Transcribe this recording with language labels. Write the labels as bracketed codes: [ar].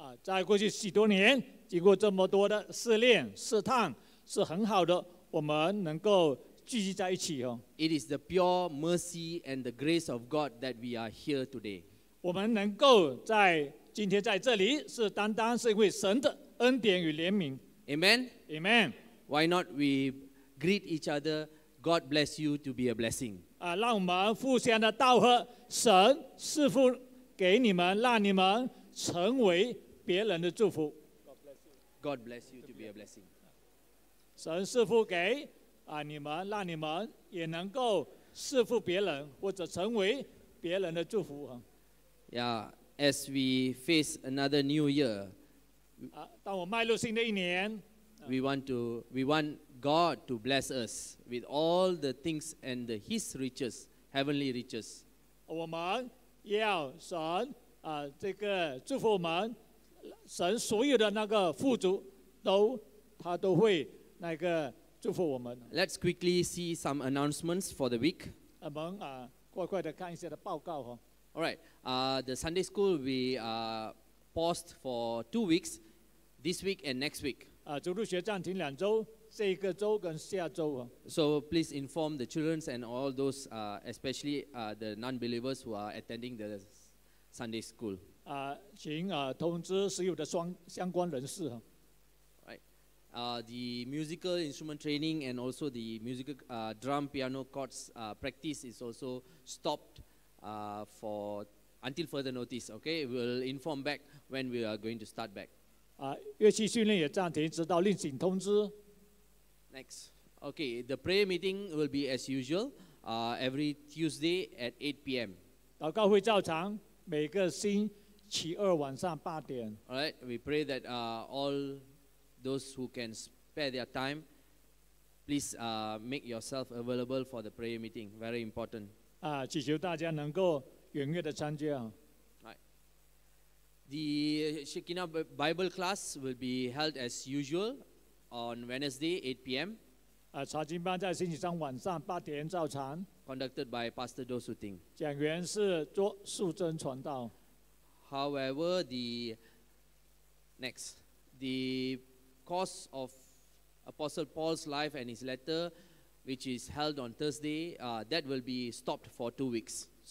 [zh] 在过去许多年，经过这么多的试炼、试探，是很好的，我们能够聚集在一起哦。 [en] It is the pure mercy and the grace of God that we are here today. [zh] 我们能够在今天在这里，是单单是因为神的。恩典与怜悯。 [en] Amen. Amen. Why not we greet each other? God bless you to be a blessing. [zh] 让我们互相的道贺，神赐福给你们，让你们成为别人的祝福。 [en] God bless you to be a blessing. [zh] 神赐福给你们，让你们也能够赐福别人，或者成为别人的祝福。 [en] Yeah, as we face another new year. [zh] 当我迈入新的一年 [en] we want God to bless us with all the things and the His riches, heavenly riches. [zh] 我们要神这个祝福我们，神所有的那个富足都他都会那个祝福我们。 [en] Let's quickly see some announcements for the week. [zh] 我们快快的看一下的报告哈。 [en] All right, the Sunday school we paused for 2 weeks. This week and next week. [zh] 主日学暂停两周，这个周跟下周。 [en] So please inform the children and all those, especially the non-believers who are attending the Sunday school. [zh] 请通知所有的相关人士。 [en] Right. The musical instrument training and also the musical drum, piano, chords practice is also stopped for until further notice. Okay, we'll inform back when we are going to start back. [zh] 乐器训练也暂停，直到另行通知。 [en] Next. Okay, the prayer meeting will be as usual, every Tuesday at 8 p.m. [zh] 祷告会照常，每个星期二晚上八点。 [en] All right, we pray that all those who can spare their time, please make yourself available for the prayer meeting. Very important. [zh] 祈求大家能够踊跃的参加。 [en] The Shekinah Bible class will be held as usual on Wednesday, 8 p.m. [zh] 查经班在星期三晚上八点照常。 [en] Conducted by Pastor Do Su Ting. [zh] 讲员是周素贞传道。 [en] However, the next, the course of Apostle Paul's life and his letter, which is held on Thursday, that will be stopped for 2 weeks.